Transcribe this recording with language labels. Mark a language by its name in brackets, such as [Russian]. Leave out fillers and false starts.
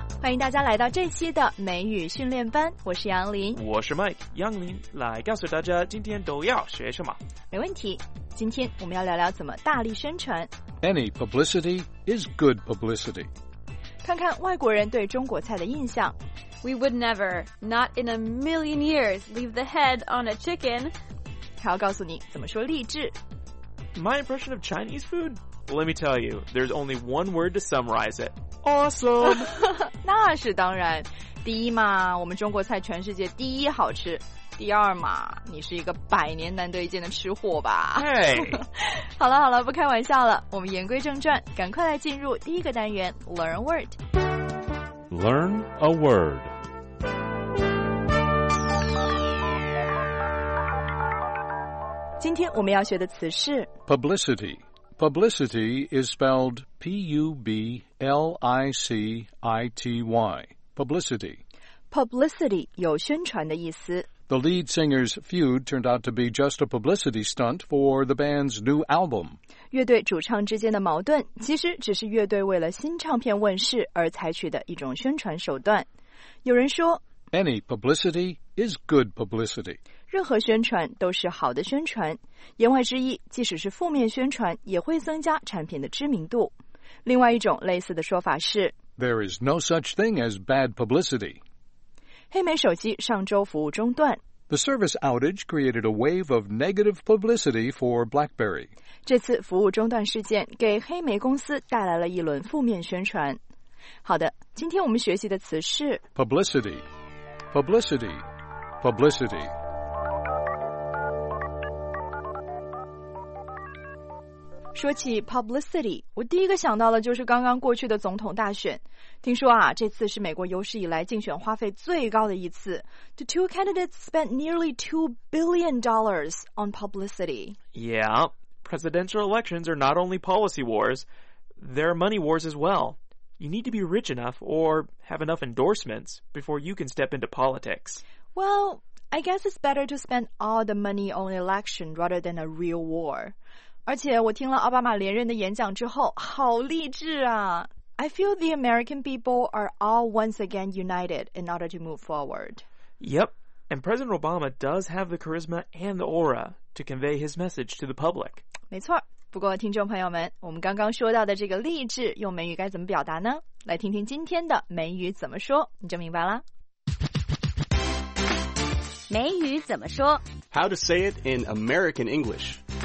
[Chinese] 迎大家来到这期的美语训练班，我是杨林，我是 Mike。杨林，来告诉大家今天都要学什么。没问题，今天我们要聊聊怎么大力宣传。 [English] Any publicity is good publicity。 [Chinese] 看看外国人对中国菜的印象。 [English] We would never, not in a million years, leave the head on a chicken。 [Chinese] 还要告诉你怎么说励志。 [English] My impression of Chinese food? Let me tell you, there's only one word to summarize it. Awesome! [Chinese] 那是当然。第一嘛，我们中国菜全世界第一好吃。第二嘛，你是一个百年难得一见的吃货吧。 [English] Hey! [Chinese] 好了好了，不开玩笑了，我们言归正传，赶快来进入第一个单元 [English] Learn a Word。 Learn a Word。 [Chinese] 今天我们要学的词是 [English] Publicity。 Publicity is spelled P-U-B-L-I-C-I-T-Y. Publicity. [Chinese] Publicity 有宣传的意思。 [English] The lead singer's feud turned out to be just a publicity stunt for the band's new album. [Chinese] 乐队主唱之间的矛盾其实只是乐队为了新唱片问世而采取的一种宣传手段。有人说 [English] Any publicity is good publicity. [Chinese] 任何宣传都是好的宣传，言外之意，即使是负面宣传也会增加产品的知名度。另外一种类似的说法是 [English] There is no such thing as bad publicity. [Chinese] 黑莓手机上周服务中断。 [English] The service outage created a wave of negative publicity for BlackBerry. [Chinese] 这次服务中断事件给黑莓公司带来了一轮负面宣传。好的，今天我们学习的词是 [English] Publicity, publicity, publicity. [Chinese] 说起 publicity, 我第一个想到的就是刚刚过去的总统大选。听说啊，这次是美国有史以来竞选花费最高的一次。 [English] The two candidates spent nearly $2 billion on publicity. Yeah, presidential elections are not only policy wars, they're money wars as well. You need to be rich enough or have enough endorsements before you can step into politics. Well, I guess it's better to spend all the money on election rather than a real war. [Chinese] 而且我听了奥巴马连任的演讲之后好励志啊。 [English] I feel the American people are all once again united in order to move forward. Yep, and President Obama does have the charisma and the aura to convey his message to the public. [Chinese] 没错，不过听众朋友们，我们刚刚说到的这个励志用美语该怎么表达呢？来听听今天的美语怎么说，你就明白了。美语怎么说？ [English] How to say it in American English.